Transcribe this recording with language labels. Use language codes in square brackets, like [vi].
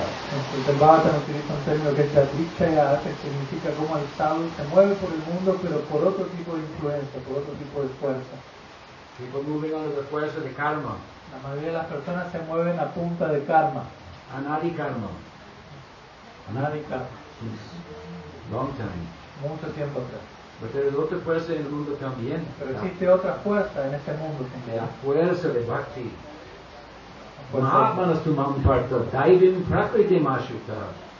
[es] El Tambata nos utiliza un término que es Gebritshaya, que significa como el sadhu se mueve por el mundo, pero por otro tipo de influencia, por otro tipo de fuerza. [en] People moving under the force of the karma. [es] La mayoría de las personas se mueven a punta de karma. [sa] Anadi karma. Anadi karma. [en] Long time. [es] Mucho tiempo atrás. [en] But there is other [es] fuerza en el mundo también. Pero existe otra fuerza en este mundo también. La fuerza de Bhakti. [sa] Mahatmanas tu mamparta, daivim prakriti mashuta.